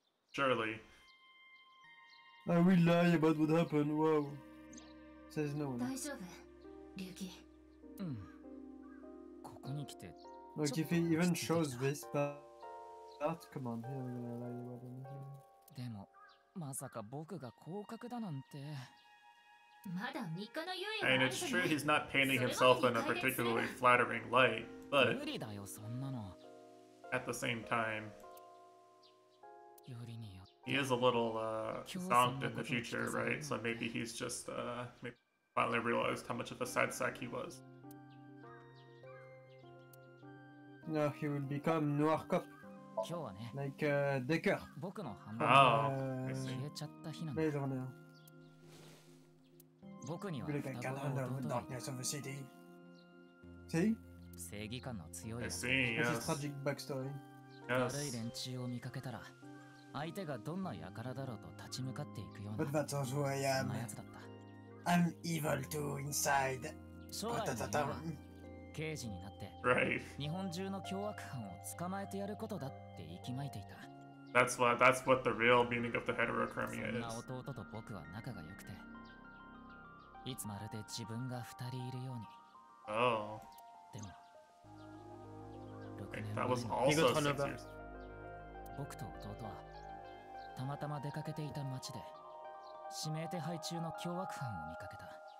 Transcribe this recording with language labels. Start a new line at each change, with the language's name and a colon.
English: Surely. I will lie about what happened, wow. Says no one.
Japanese: 大丈夫、リュウキ。ここに来て。
English: Like, if he even shows this part, come on, he's gonna lie about anything.
Japanese: でも、まさか僕が降格だなんて。まだ3日の猶予があるじゃない。
English: And it's true he's not painting himself in a particularly flattering light, but
Japanese: 無理だよ、そんなの。
English: At the same time,
Japanese: よりによって
English: he is a little, zonked in the future, right? So maybe he's just, maybe finally realized how much of a sad sack he was. Now he will become noir cop.
Japanese: 今日はね、
English: like, Decker.
Japanese: 僕の反応が消えちゃった日なんだ。僕には双子の弟がいる。
English: See?
Japanese: 正義感の強い。
English: See, yes. This is a tragic backstory. Yes.
Japanese: 悪い連中を見かけたら、相手がどんな輩だろうと立ち向かっていくような。
English: But that's also who I am.
Japanese: そんなやつだった。
English: I'm evil too inside.
Japanese: 将来の夢は刑事になって、
English: right.
Japanese: 日本中の凶悪犯を捕まえてやることだって息巻いていた。
English: That's what the real meaning of the heterochromia is.
Japanese: そんな弟と僕は仲が良くて。いつまるで自分が二人いるように。おお。でも、 6年前に見事な僕と弟はたまたま出かけていた町で指名手配中の凶悪犯を見かけた。